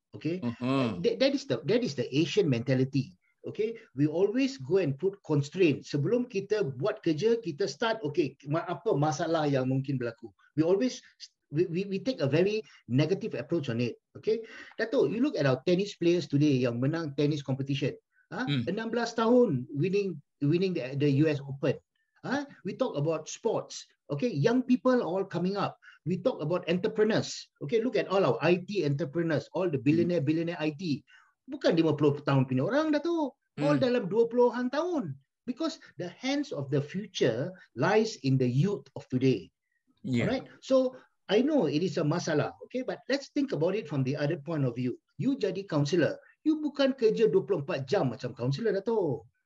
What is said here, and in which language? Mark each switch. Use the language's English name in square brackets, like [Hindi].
[English] Okay, that is the Asian mentality. Okay, we always go and put constraint. [Malay] Sebelum kita buat kerja, kita start. Okay, apa masalah yang mungkin berlaku? [English] We always we take a very negative approach on it. Okay, Dato, you look at our tennis players today [Malay] yang menang [English] tennis competition. 16 tahun winning the US Open. We talk about sports. Okay, young people all coming up. We talk about entrepreneurs. Okay, look at all our IT entrepreneurs, all the billionaire IT. [Malay] Bukan 50 tahun punya orang dah tu. All dalam 20-an tahun. [English] Because the hands of the future lies in the youth of today. Yeah. Right? So, I know it is a masalah. Okay, but let's think about it from the other point of view. [Malay] You jadi counselor. You bukan kerja 24 jam macam counselor dah tu.